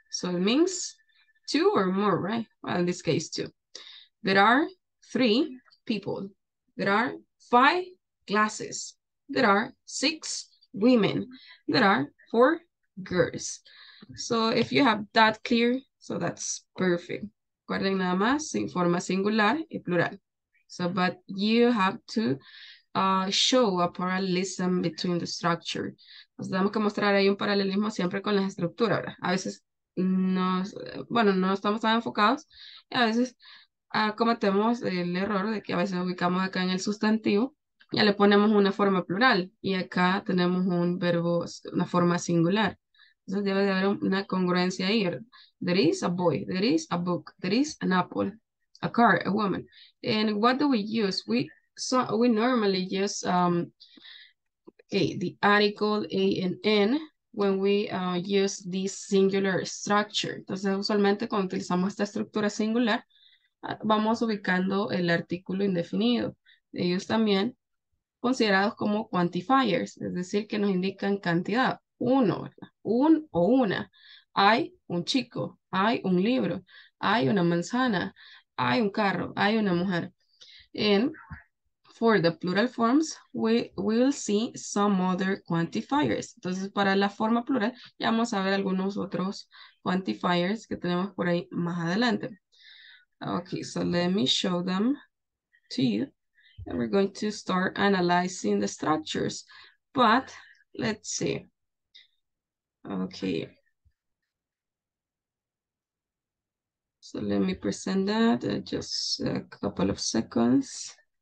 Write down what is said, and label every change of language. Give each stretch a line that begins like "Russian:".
English: So it means two or more, right? Well, in this case, two. There are three people. There are five glasses. There are six women. There are four girls. So if you have that clear, so that's perfect.
Spanish: Recuerden nada más en forma singular y plural.
English: So, but you have to show a parallelism between the structure.
Spanish: Nos tenemos que mostrar ahí un paralelismo siempre con la estructura. A veces, no estamos tan enfocados. Y a veces cometemos el error de que a veces ubicamos acá en el sustantivo, ya le ponemos una forma plural y acá tenemos un verbo, una forma singular. Entonces debe de haber una congruencia ahí.
English: There is a boy, there is a book, there is an apple, a car, a woman. And what do we use? We normally use the article A and N when we use this singular structure.
Spanish: Entonces usualmente cuando utilizamos esta estructura singular, vamos ubicando el artículo indefinido. Ellos también considerados como quantifiers, es decir, que nos indican cantidad. Uno, un o una. Hay un chico, hay un libro, hay una manzana, hay un carro, hay una mujer. And
English: for the plural forms, we will see some other quantifiers.
Spanish: Entonces, para la forma plural, ya vamos a ver algunos otros quantifiers que tenemos por ahí más adelante.
English: Okay, so let me show them to you. And we're going to start analyzing the structures. But let's see. Okay. So let me present that in just a couple of seconds.